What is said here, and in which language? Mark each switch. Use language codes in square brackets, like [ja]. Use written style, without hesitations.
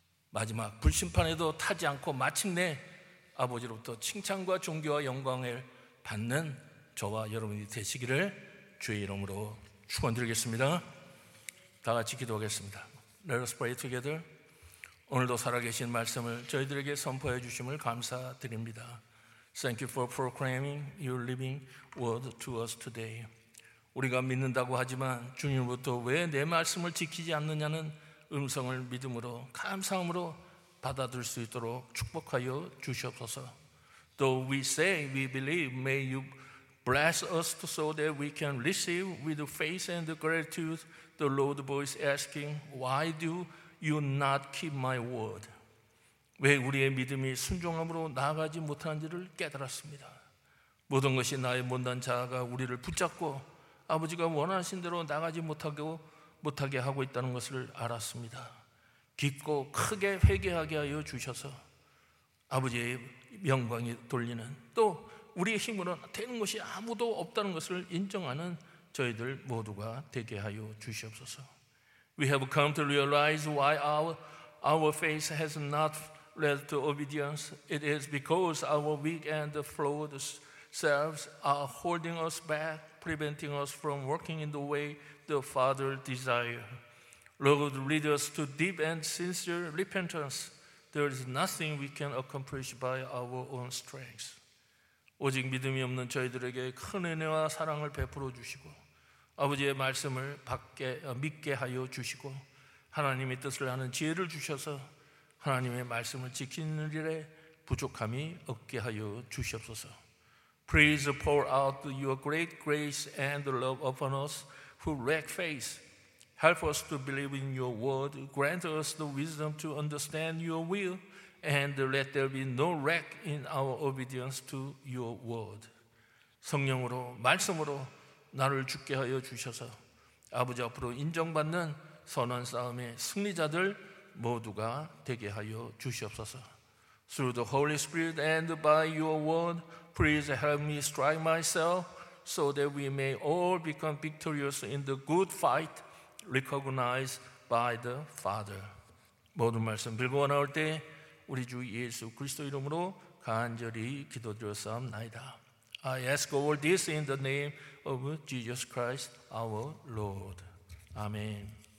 [ko] 마지막 불심판에도 타지 않고 마침내 아버지로부터 칭찬과 존귀와 영광을 받는 저와 여러분이 되시기를 주의 이름으로 축원드리겠습니다. 다 같이 기도하겠습니다. [en] Let us pray together. [ko] 오늘도 살아계신 말씀을 저희들에게 선포해 주심을 감사드립니다. [en] Thank you for proclaiming your living word to us today. [ko] 우리가 믿는다고 하지만 주님으로부터 왜 내 말씀을 지키지 않느냐는 음성을 믿음으로 감사함으로 받아들일 수 있도록 축복하여 주시옵소서. [en] Though we say we believe, may you bless us so that we can receive with faith and gratitude the Lord's voice asking, Why do you not keep my word? [ko] 왜 우리의 믿음이 순종함으로 나아가지 못하는지를 깨달았습니다. 모든 것이 나의 못난 자아가 우리를 붙잡고 아버지가 원하신 대로 나가지 못하게 하고 있다는 것을 알았습니다. 깊고 크게 회개하게 하여 주셔서 아버지의 영광이 돌리는, 또 우리의 힘으로 되는 것이 아무도 없다는 것을 인정하는 저희들 모두가 되게 하여 주시옵소서. [en] We have come to realize why our faith has not led to obedience. It is because our weak and flawed selves are holding us back, preventing us from working in the way the Father desires. Lord, lead us to deep and sincere repentance. There is nothing we can accomplish by our own strength. [ko] 오직 믿음이 없는 저희들에게 큰 은혜와 사랑을 베풀어 주시고 아버지의 말씀을 믿게 하여 주시고 하나님의 뜻을 아는 지혜를 주셔서 하나님의 말씀을 지키는 일에 부족함이 없게 하여 주시옵소서. [en] Please pour out your great grace and love upon us who lack faith. Help us to believe in your word. Grant us the wisdom to understand your will. And let there be no lack in our obedience to your word. [ko] 성령으로, 말씀으로 나를 죽게 하여 주셔서 아버지 앞으로 인정받는 선한 싸움의 승리자들 모두가 되게 하여 주시옵소서. [en] Through the Holy Spirit and by your word, please help me strike myself so that we may all become victorious in the good fight recognized by the Father. [ko] 모든 말씀 빌고 나올 때 우리 주 예수 그리스도 이름으로 간절히 기도드렸사옵나이다. [en] I ask all this in the name of Jesus Christ, our Lord. Amen.